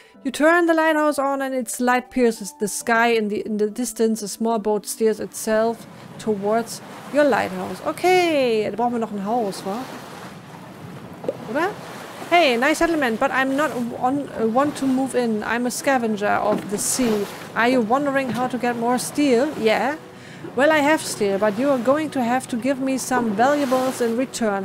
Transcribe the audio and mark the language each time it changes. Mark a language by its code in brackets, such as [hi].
[en] You turn the lighthouse on and its light pierces the sky in the distance. A small boat steers itself towards your lighthouse. [de] Okay, da brauchen wir noch ein Haus, wa? Oder? [en] Hey, nice settlement, but I'm not one to move in. I'm a scavenger of the sea. Are you wondering how to get more steel? Yeah. Well, I have steel, but you are going to have to give me some valuables in return.